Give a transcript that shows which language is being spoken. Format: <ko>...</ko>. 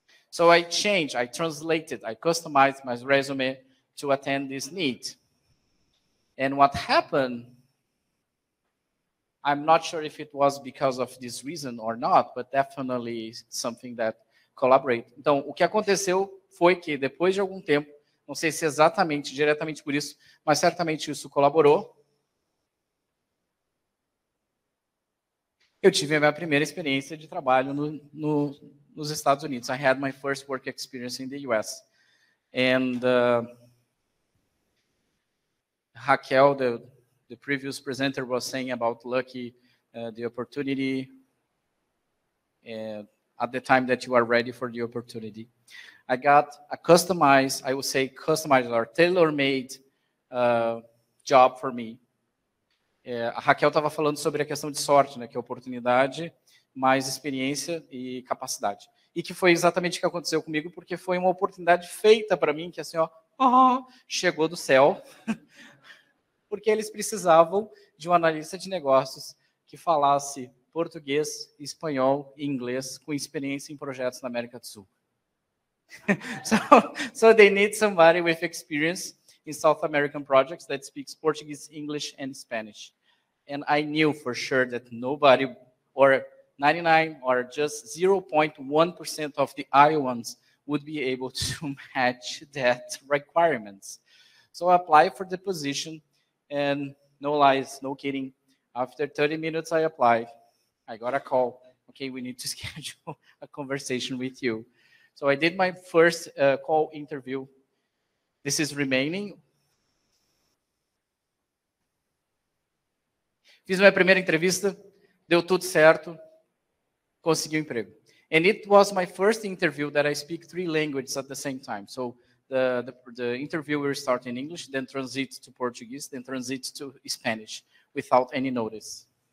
<en>So I changed, I translated, I customized my resume to attend this need. And what happened, I'm not sure if it was because of this reason or not, but definitely something that collaborated.</en> <pt>Então, o que aconteceu foi que depois de algum tempo, não sei se exatamente, diretamente por isso, mas certamente isso colaborou, eu tive a minha primeira experiência de trabalho nos Estados Unidos.</pt> <en>I had my first work experience in the US. And Raquel, the previous presenter, was saying about lucky, the opportunity, at the time that you are ready for the opportunity. I got a customized, I would say customized or tailor-made job for me.</en> <pt>A Raquel estava falando sobre a questão de sorte, né, que é oportunidade, mais experiência e capacidade. E que foi exatamente o que aconteceu comigo, porque foi uma oportunidade feita para mim, que assim, ó, chegou do céu, porque eles precisavam de um analista de negócios que falasse português, espanhol e inglês com experiência em projetos na América do Sul.</pt> <en>So they need somebody with experience in South American projects that speaks Portuguese, English, and Spanish. And I knew for sure that nobody, or 99, or just 0.1% of the Iowans would be able to match that requirements. So I applied for the position, and no lies, no kidding. After 30 minutes I applied, I got a call. Okay, we need to schedule a conversation with you. So I did my first call interview. This is remaining.</en> <pt>Fiz minha primeira entrevista, deu tudo certo, consegui o emprego.</pt> <en>And it was my first interview that I speak three languages at the same time. So the interviewer starts in English, then transits to Portuguese, then transits to Spanish, without any notice.</en>